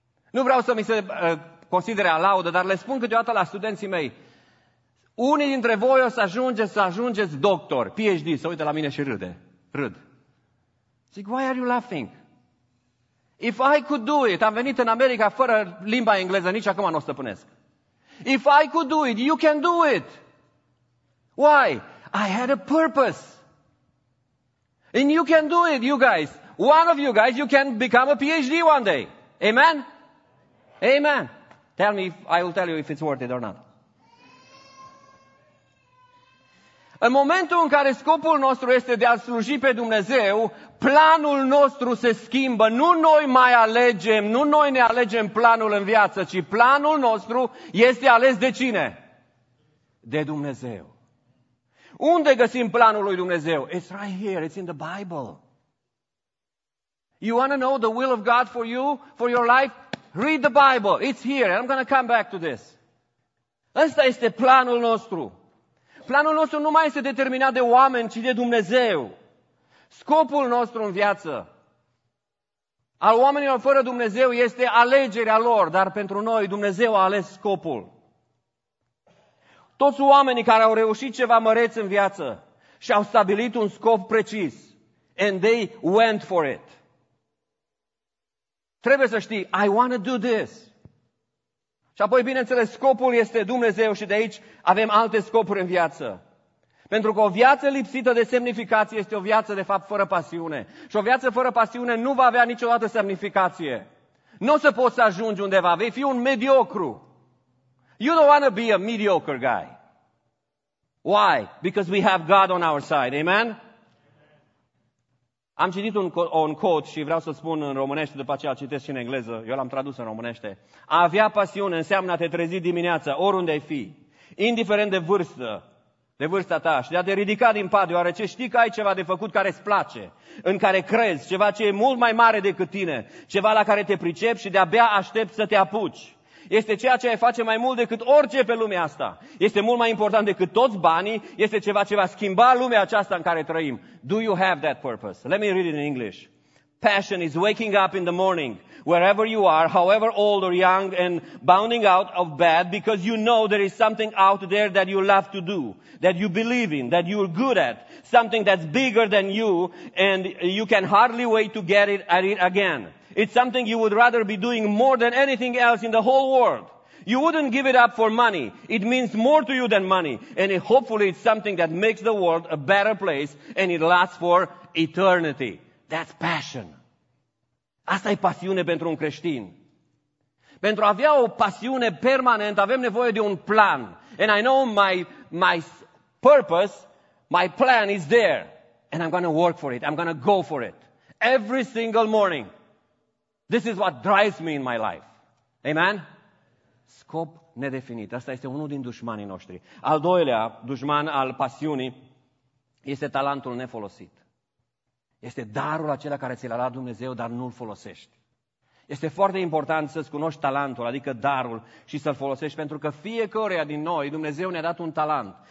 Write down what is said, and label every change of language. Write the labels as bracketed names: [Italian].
[Romanian] Nu vreau să mi se considere alaudă, dar le spun câteodată la studenții mei, unii dintre voi o să ajungeți, doctor, PhD, să uite la mine și râde. Râd. Zic, [English] why are you laughing? If I could do it, [Romanian] am venit în America fără limba engleză, nici acum nu o stăpânesc. [English] If I could do it, you can do it. Why? I had a purpose. And you can do it, you guys. One of you guys, you can become a PhD one day. Amen? Amen. Tell me, I will tell you if it's worth it or not. [Romanian] În momentul în care scopul nostru este de a sluji pe Dumnezeu, planul nostru se schimbă. Nu noi mai alegem, nu noi ne alegem planul în viață, ci planul nostru este ales de cine? De Dumnezeu. Unde găsim planul lui Dumnezeu? [English] It's right here, it's in the Bible. You want to know the will of God for you, for your life? Read the Bible, it's here, and I'm going to come back to this. [Romanian] Ăsta este planul nostru. Planul nostru nu mai este determinat de oameni, ci de Dumnezeu. Scopul nostru în viață, al oamenilor fără Dumnezeu, este alegerea lor, dar pentru noi Dumnezeu a ales scopul. Toți oamenii care au reușit ceva măreț în viață și au stabilit un scop precis, [English] and they went for it. [Romanian] Trebuie să știi, [English] I want to do this. [Romanian] Și apoi, bineînțeles, scopul este Dumnezeu și de aici avem alte scopuri în viață. Pentru că o viață lipsită de semnificație este o viață, de fapt, fără pasiune. Și o viață fără pasiune nu va avea niciodată semnificație. Nu o să poți să ajungi undeva, vei fi un mediocru. [English] You don't want to be a mediocre guy. Why? Because we have God on our side. Amen? [Romanian] Am citit un quote și vreau să spun în românește, după aceea citesc și în engleză, eu l-am tradus în românește. A avea pasiune înseamnă a te trezi dimineața, oriunde ai fi, indiferent de vârstă, de vârsta ta, și de a te ridica din pat, deoarece știi că ai ceva de făcut care îți place, în care crezi, ceva ce e mult mai mare decât tine, ceva la care te pricepi și de-abia aștept să te apuci. Este ceea ce ai face mai mult decât orice pe lumea asta. Este mult mai important decât toți banii. Este ceva ce va schimba lumea aceasta în care trăim. [English] Do you have that purpose? Let me read it in English. Passion is waking up in the morning, wherever you are, however old or young, and bounding out of bed because you know there is something out there that you love to do, that you believe in, that you're good at, something that's bigger than you, and you can hardly wait to get it at it again. It's something you would rather be doing more than anything else in the whole world. You wouldn't give it up for money. It means more to you than money. And hopefully it's something that makes the world a better place and it lasts for eternity. That's passion. [Romanian] Asta e pasiune pentru un creștin. Pentru a avea o pasiune permanentă, avem nevoie de un plan. [English] And I know my purpose, my plan is there. And I'm going to work for it. I'm going to go for it. Every single morning. This is what drives me in my life. [Romanian] Amen? Scop nedefinit. Asta este unul din dușmanii noștri. Al doilea dușman al pasiunii este talentul nefolosit. Este darul acela care ți l-a dat Dumnezeu, dar nu-l folosești. Este foarte important să-ți cunoști talentul, adică darul, și să-l folosești, pentru că fiecăruia din noi, Dumnezeu ne-a dat un talent.